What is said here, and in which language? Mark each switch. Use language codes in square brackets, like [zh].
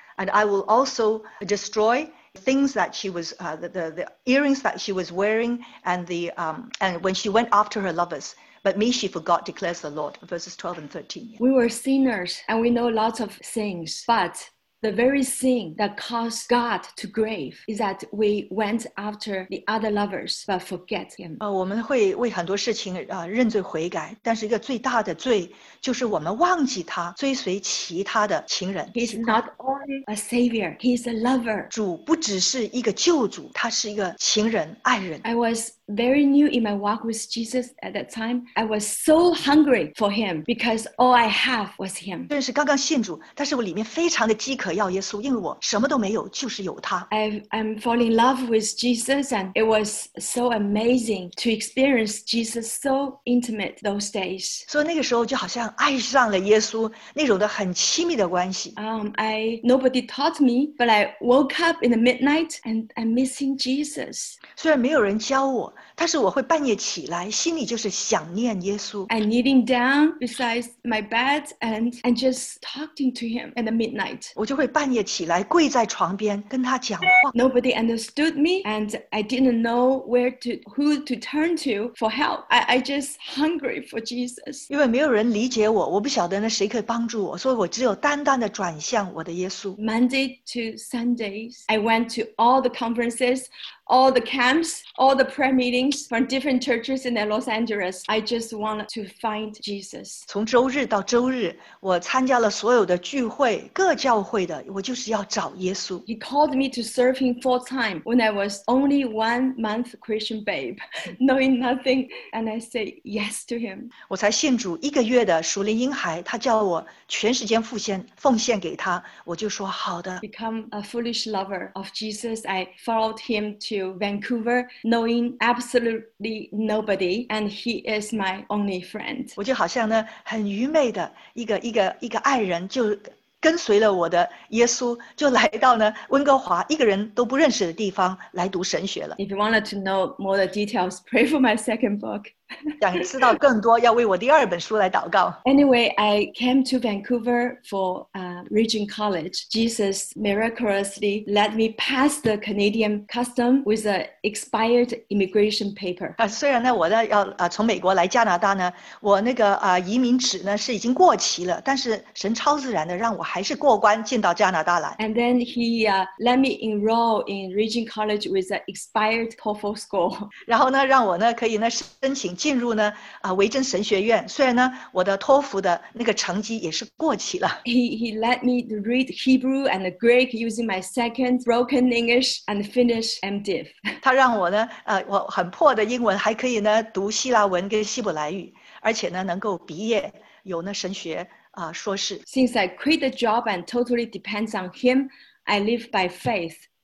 [en] And I will also destroy things that she was, the earrings that she was wearing, and and when she went after her lovers. But me she forgot, declares the Lord. Verses 12 and 13. We were sinners, and we know lots of things, but... The very thing that caused God to grieve is that we went after the other lovers but forget him. [zh] 我们会为很多事情认罪悔改，但是一个最大的罪就是我们忘记他，追随其他的情人。 [en] He's not only a savior, he's a lover. [zh] 主不只是一个救主，他是一个情人，爱人。 [en] I was very new in my walk with Jesus at that time. I was so hungry for him because all I have was him. [zh] 虽然是刚刚信主，但是我里面非常的饥渴要耶稣，因为我什么都没有，就是有他。 [en] I'm falling in love with Jesus, and it was so amazing to experience Jesus so intimate those days. [zh] 所以那个时候就好像爱上了耶稣那种的很亲密的关系。 [en] Nobody taught me, but I woke up in the midnight and I'm missing Jesus. [zh] 虽然没有人教我，但是我会半夜起来，心里就是想念耶稣。 [en] I'm kneeling down beside my bed and just talking to him in the midnight. [zh] 我就会半夜起来，跪在床边跟他讲话。 [en] Nobody understood me, and I didn't know who to turn to for help. I just hungry for Jesus. [zh] 因为没有人理解我，我不晓得那谁可以帮助我，所以我只有单单的转向我的耶稣。 [en] Monday to Sundays, I went to all the conferences. All the camps, all the prayer meetings from different churches in Los Angeles. I just wanted to find Jesus. [zh] 从周日到周日，我参加了所有的聚会，各教会的，我就是要找耶稣。 [en] He called me to serve him full time when I was only 1 month Christian babe, knowing nothing, and I say yes to him. [zh] 我才信主一个月的属灵婴孩，他叫我全时间奉献给他，我就说好的。 [en] Become a foolish lover of Jesus. I followed him to Vancouver, knowing absolutely nobody, and he is my only friend. [zh] 我就好像呢，很愚昧的一个爱人，就跟随了我的耶稣，就来到呢温哥华，一个人都不认识的地方来读神学了。 [en] If you wanted to know more details, pray for my second book. [zh] 想知道更多，要为我第二本书来祷告。 [en] Anyway, I came to Vancouver for Regent College. Jesus miraculously let me pass the Canadian custom with an expired immigration paper. [zh] 虽然呢，我呢要从美国来加拿大呢，我那个移民纸呢是已经过期了，但是神超自然的让我还是过关进到加拿大来。 [en] And then he let me enroll in Regent College with an expired TOEFL score. [zh] 然后呢，让我呢可以呢申请。进入呢维珍神学院，虽然呢我的托福的那个成绩也是过期了。 [en] He let me read Hebrew and Greek using my second broken English and Finnish MDiv. [zh] 他让我呢我很破的英文还可以呢读希腊文跟希伯来语，而且呢能够毕业有呢神学硕士。 [en] Since I quit the job and totally depends on him, I live by faith.